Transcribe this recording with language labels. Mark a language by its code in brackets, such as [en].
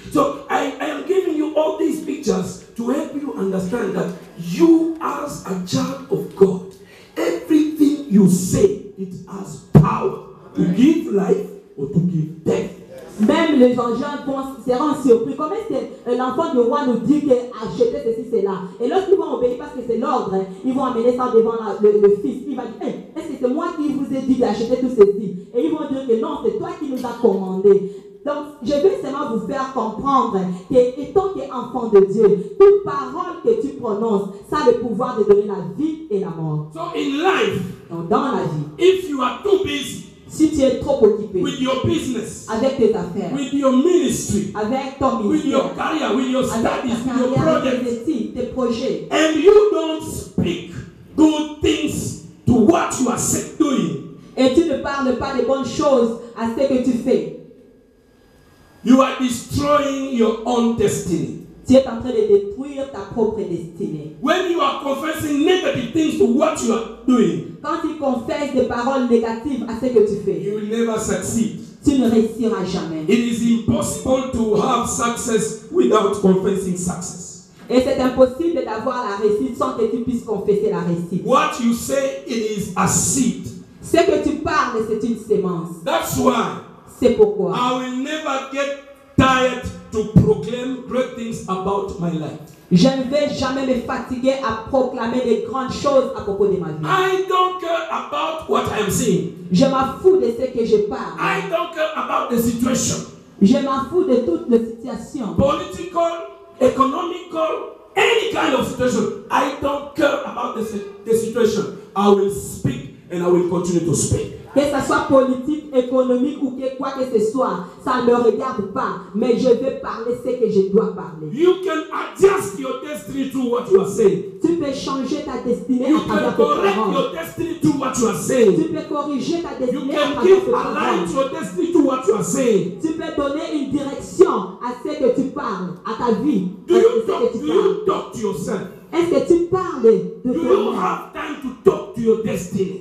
[en] So, I am giving you all these pictures to help you understand that you as a child of God, everything you say, it has power to give life or to give death. [fr] Même les anges seront surpris. Comment est-ce que l'enfant du roi nous dit qu'acheter ceci, cela? Et lorsqu'ils vont obéir parce que c'est l'ordre, ils vont amener ça devant le fils. Il va dire, hey, est-ce que c'est moi qui vous ai dit d'acheter tout ceci? Et ils vont dire que non, c'est toi qui nous as commandé. Donc, je veux seulement vous faire comprendre que étant qu'enfant de Dieu, toute parole que tu prononces, ça a le pouvoir de donner la vie et la mort. [en] So in life, [fr] donc, dans la vie, [en] if you are too busy, [fr] si tu es trop occupé [en] with your business, [fr] avec tes affaires, [en] with your ministry, [fr] avec ton ministère, [en] with your career, with your studies, [fr] avec ta carrière, [en] your projects, [fr] avec tes projets, [en] and you don't speak good things to what you are said doing, [fr] et tu ne parles pas de bonnes choses à ce que tu fais, [en] you are destroying your own destiny. [fr] Tu es en train de détruire ta propre destinée. [en] When you are confessing negative things to what you are doing, [fr] quand tu confesses des paroles négatives à ce que tu fais, [en] you will never succeed. [fr] Tu ne réussiras jamais. [en] It is impossible to have success without confessing success. [fr] Et c'est impossible d'avoir la réussite sans que tu puisses confesser la réussite. [en] What you say, it is a seed. [fr] Ce que tu parles, c'est une semence. [en] That's why. [fr] C'est pourquoi. [en] I will never get tired to proclaim great things about my life. [fr] Je ne vais jamais me fatiguer à proclamer des grandes choses à propos de ma vie. [en] I don't care about what I'm seeing. [fr] Je m'en fous de ce que je parle. [en] I don't care about the situation. [fr] Je m'en fous de toutes les situations. [en] Political, economical, any kind of situation. I don't care about the situation. I will speak and I will continue to speak. [fr] Que ce soit politique, économique ou quoi que ce soit, ça ne me regarde pas. Mais je vais parler ce que je dois parler. [en] You can adjust your destiny to what you are saying. [fr] Tu peux changer ta destinée. [en] You can correct your destiny to what you are saying. [fr] Tu peux corriger ta destinée. [en] You can give a light your destiny to what you are saying. [fr] Tu peux donner une direction à ce que tu parles, à ta vie. [en] Do you talk to yourself? [fr] Est-ce que tu parles de toi? [en] You have time to talk to your destiny.